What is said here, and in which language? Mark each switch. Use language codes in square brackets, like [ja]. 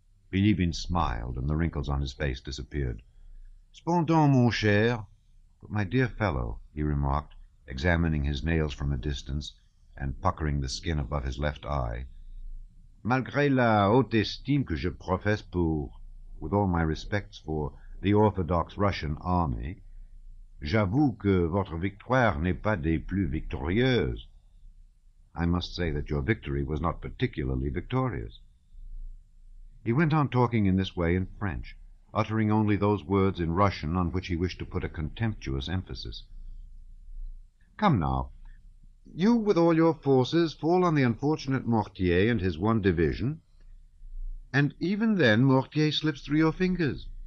[en] Bilibin smiled, and the wrinkles on his face disappeared. [fr] "Cependant, mon cher, [en] but my dear fellow," he remarked, examining his nails from a distance, and puckering the skin above his left eye. [fr] Malgré la haute estime que je professe pour, [en] with all my respects for, the Orthodox Russian army, [fr] j'avoue que votre victoire n'est pas des plus victorieuses. [en] I must say that your victory was not particularly victorious. He went on talking in this way in French, uttering only those words in Russian on which he wished to put a contemptuous emphasis. Come now, you with all your forces fall on the unfortunate Mortier and his one division, and even then Mortier slips through your fingers.